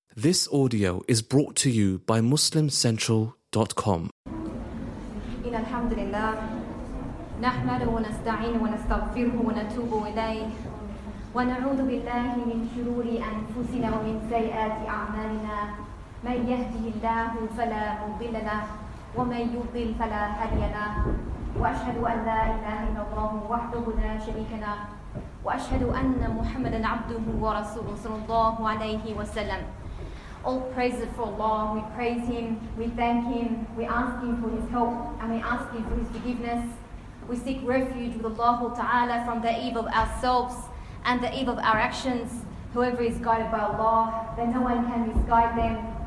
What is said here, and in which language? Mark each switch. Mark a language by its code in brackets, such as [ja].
[en] This audio is brought to you by MuslimCentral.com. [ar] إن الحمد لله نحمده ونستعينه ونستغفره ونتوب إليه ونعوذ بالله من شرور أنفسنا ومن سيئات أعمالنا من يهده الله فلا مضل له ومن يضل فلا هادي له وأشهد أن لا إله إلا الله وحده لا شريك له وأشهد أن محمدا عبده ورسوله صلى الله عليه وسلم. [en] All praises for Allah, we praise Him, we thank Him, we ask Him for His help, and we ask Him for His forgiveness. We seek refuge with Allah Ta'ala from the evil of ourselves and the evil of our actions. Whoever is guided by Allah, then no one can misguide them.